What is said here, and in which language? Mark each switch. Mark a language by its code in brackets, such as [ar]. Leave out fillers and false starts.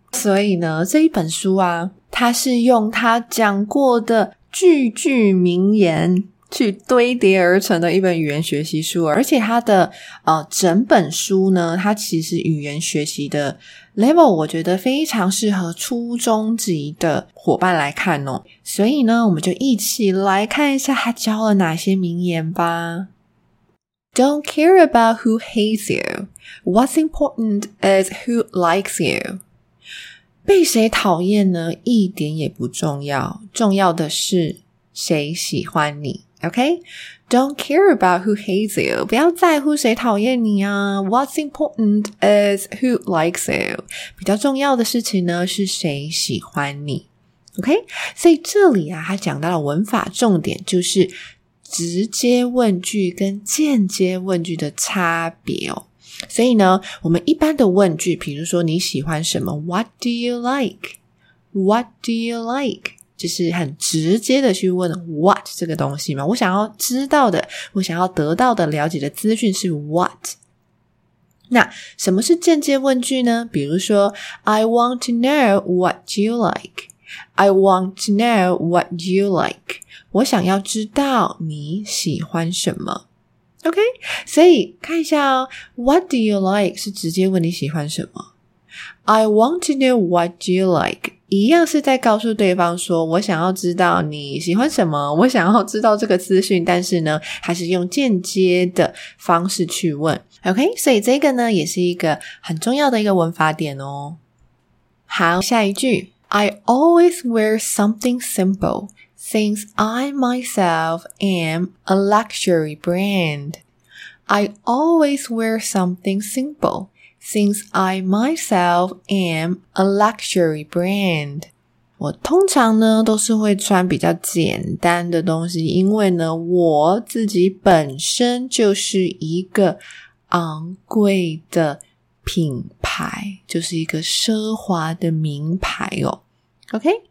[zh] 所以呢这一本书啊，它是用它讲过的句句名言去堆叠而成的一本语言学习书，而且它的整本书呢，它其实语言学习的 level 我觉得非常适合初中级的伙伴来看哦。所以呢我们就一起来看一下它教了哪些名言吧。 [en] Don't care about who hates you. What's important is who likes you. [zh] 被谁讨厌呢一点也不重要，重要的是谁喜欢你。 [en] Okay? Don't care about who hates you. [zh] 不要在乎谁讨厌你啊。 [en] What's important is who likes you. [zh] 比较重要的事情呢是谁喜欢你。 [en] Okay? [zh] 所以这里啊他讲到的文法重点就是直接问句跟间接问句的差别哦。所以呢我们一般的问句比如说你喜欢什么 ? [en] What do you like? What do you like? [zh] 就是很直接的去问 what 这个东西嘛，我想要知道的，我想要得到的了解的资讯是 what。那什么是间接问句呢？比如说 [en] I want to know what you like. I want to know what you like. [zh] 我想要知道你喜欢什么。OK， 所以看一下哦， [en] what do you like [zh] 是直接问你喜欢什么， [en] I want to know what you like [zh] 一样是在告诉对方说我想要知道你喜欢什么，我想要知道这个资讯，但是呢还是用间接的方式去问。 OK， 所以这个呢也是一个很重要的一个文法点哦。好，下一句 [en] I always wear something simple since I myself am a luxury brand. I always wear something simpleSince I myself am a luxury brand. [zh] 我通常呢都是会穿比较简单的东西，因为呢我自己本身就是一个昂贵的品牌，就是一个奢华的名牌哦。 [en] OK?